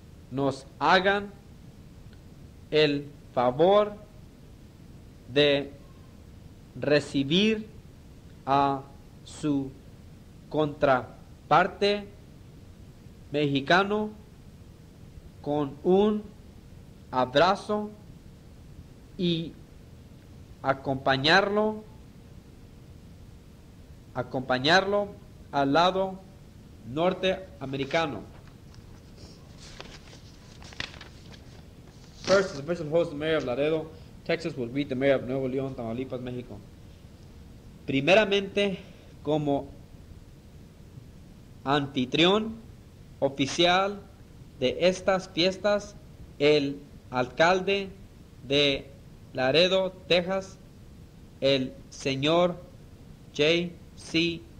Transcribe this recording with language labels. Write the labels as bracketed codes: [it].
[es] nos hagan el favor de recibir a su contraparte mexicano con un abrazo y acompañarlo al lado norteamericano. [en] First, the official host, the mayor of Laredo, Texas, will greet the mayor of Nuevo León, Tamaulipas, México. [es] Primeramente, como anfitrión oficial de estas fiestas, el alcalde de Laredo, Texas, el señor J.C.